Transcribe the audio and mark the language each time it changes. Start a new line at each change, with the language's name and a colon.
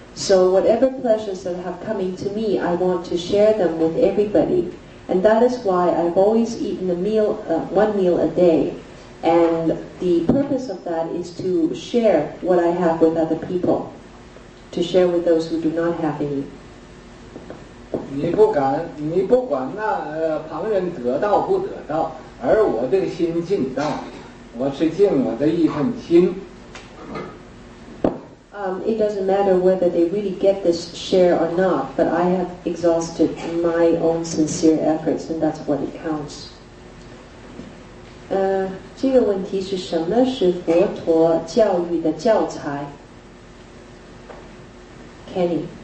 English: So whatever pleasures that have come to me, I want to share them with everybody. And that is why I've always eaten one meal a day. And the purpose of that is to share what I have with other people. To share with those who do not have any.
Chinese: 你不敢，你不管那旁人得到不得到，而我这个心尽到，我是尽我的一份心。
English: It doesn't matter whether they really get this share or not, but I have exhausted my own sincere efforts, and that's what it counts.
Chinese: 这个问题是什么是佛陀教育的教材 ？Kenny，